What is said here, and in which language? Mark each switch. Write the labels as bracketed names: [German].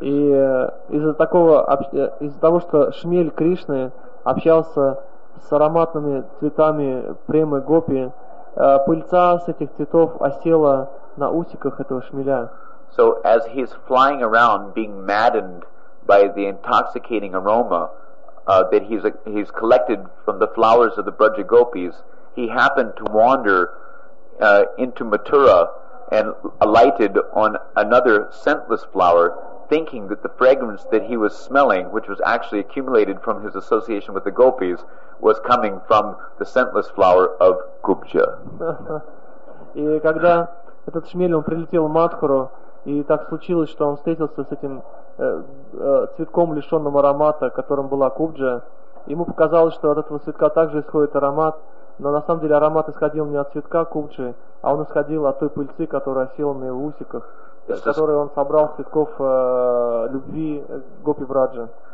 [Russian] И из-за того, что шмель Кришны общался с ароматными цветами премы гопи, пыльца с этих цветов осела на усиках этого шмеля. [English] So as he's flying around, being maddened by the intoxicating aroma that he's collected from the flowers of the Braja Gopis, he happened to wander into Mathura and alighted on another scentless flower, thinking that the fragrance that he was smelling, which was actually accumulated from his association with the gopis, was coming from the scentless flower of Gupja. [Russian] И когда этот шмель, он прилетел в Матхуру, и так случилось, что он встретился с этим цветком, лишенным аромата, которым была Гупджа, ему показалось, что от этого цветка также исходит аромат, но на самом деле аромат исходил не от цветка Гупджи, а он исходил от той пыльцы, которая осела на его усиках, из которой он собрал цветков любви Гопи Враджа.